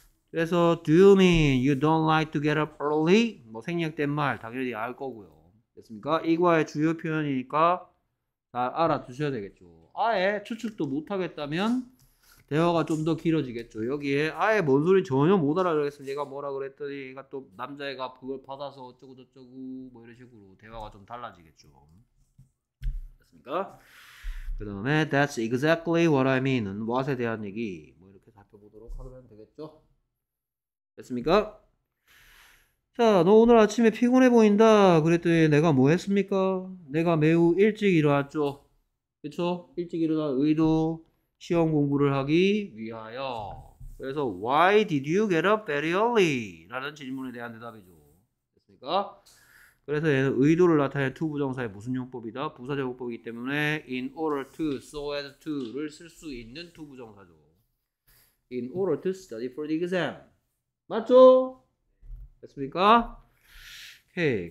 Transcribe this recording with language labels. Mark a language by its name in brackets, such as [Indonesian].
[Korean] 그래서 [English] do you mean you don't like to get up early? [Korean] 뭐 생략된 말 당연히 알 거고요. 됐습니까? 이과의 주요 표현이니까 잘 알아두셔야 되겠죠. 아예 추측도 못하겠다면 대화가 좀 더 길어지겠죠. 여기에 아예 뭔 소리 전혀 못 알아들겠습니다. 얘가 뭐라 그랬더니 얘가 또 남자애가 그걸 받아서 어쩌고 저쩌고 뭐 이런 식으로 대화가 좀 달라지겠죠. 됐습니까? 그 다음에 [English] That's exactly what I mean [Korean] 은 what에 대한 얘기 뭐 이렇게 살펴보도록 하면 되겠죠. 됐습니까? 자, 너 오늘 아침에 피곤해 보인다 그랬더니 내가 뭐 했습니까? 내가 매우 일찍 일어났죠. 그쵸? 일찍 일어난 의도 시험 공부를 하기 위하여. 그래서 [English] Why did you get up very early? [Korean] 라는 질문에 대한 대답이죠. 됐습니까? 그래서 얘는 의도를 나타낸 to 부정사의 무슨 용법이다? 부사제목법이기 때문에 in order to, so as to를 쓸 수 있는 to 부정사죠. [English] in order to study for the exam. [Korean] 맞죠? 됐습니까? 오케이.